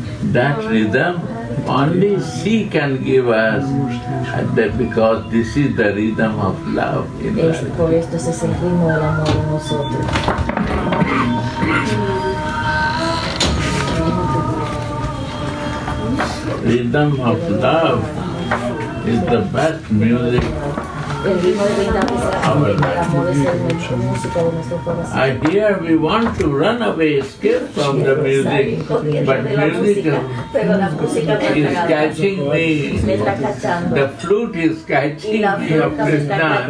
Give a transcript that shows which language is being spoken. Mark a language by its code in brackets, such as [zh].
[en] That rhythm only she can give us, and that because this is the rhythm of love in us. [es] Por esto es ese ritmo del amor en nosotros. [en] Rhythm of love is the best music. I hear we want to run away, escape from the music, but music is catching me. The flute is catching me of Krishna.